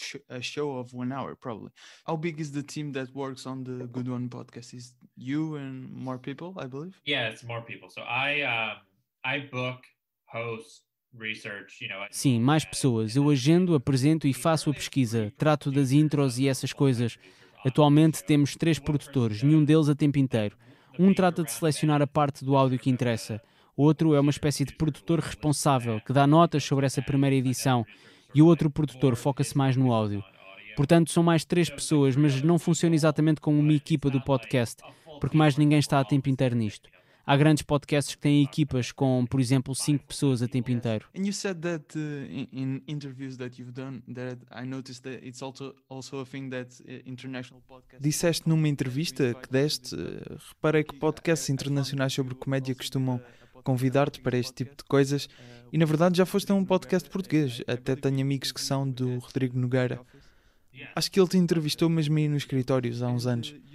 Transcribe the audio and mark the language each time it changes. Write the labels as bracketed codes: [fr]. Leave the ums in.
[en] A show of one hour, probably. How big is the team that works on the Good One podcast? Is you and more people, I believe? Yeah, it's more people. So I um, I book, host, research. You know. I- [pt] Sim, mais pessoas. Eu agendo, apresento e faço a pesquisa. Trato das intros e essas coisas. Atualmente temos três produtores, nenhum deles a tempo inteiro. Um trata de selecionar a parte do áudio que interessa. Outro é uma espécie de produtor responsável, que dá notas sobre essa primeira edição. E o outro produtor foca-se mais no áudio. Portanto, são mais três pessoas, mas não funciona exatamente como uma equipa do podcast, porque mais ninguém está a tempo inteiro nisto. Há grandes podcasts que têm equipas com, por exemplo, cinco pessoas a tempo inteiro. [en] And you said that uh, in, in interviews that you've done that I noticed that it's also also a thing that uh, international podcasts. [pt] Disseste numa entrevista que deste, uh, reparei que podcasts internacionais sobre comédia costumam convidar-te para este tipo de coisas e na verdade já foste a um podcast português. Até tenho amigos que são do Rodrigo Nogueira. Acho que ele te entrevistou mesmo aí nos escritórios há uns anos.